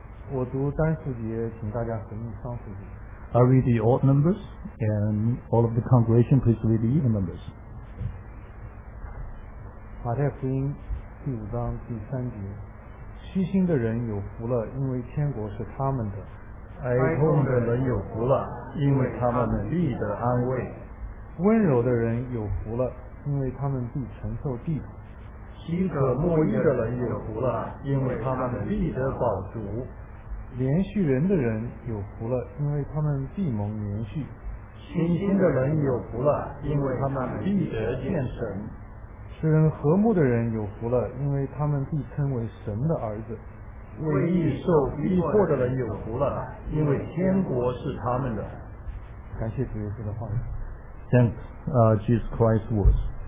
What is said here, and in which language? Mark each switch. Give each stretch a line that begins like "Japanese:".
Chinese: 我读单数节，请大家合念双数节。
English: I read the odd numbers, and all of the congregation please read the even numbers.
Chinese: 马太福音第五章第三节，虚心的人有福了，因为天国是他们的。哀痛的人有福了，因为他们必得安慰。温柔的人有福了，因为他们必承受地土。饥渴慕义的人有福了，因为他们必得饱足。连续人的人有福了，因为他们必蒙连续。清心的人有福了，因为他们必得见神。使人和睦的人有福了，因为他们必称为神的儿子。为义受逼迫的人有福了，因为天国是他们的。感谢主耶稣的话语。
English: Thank Jesus Christ's words.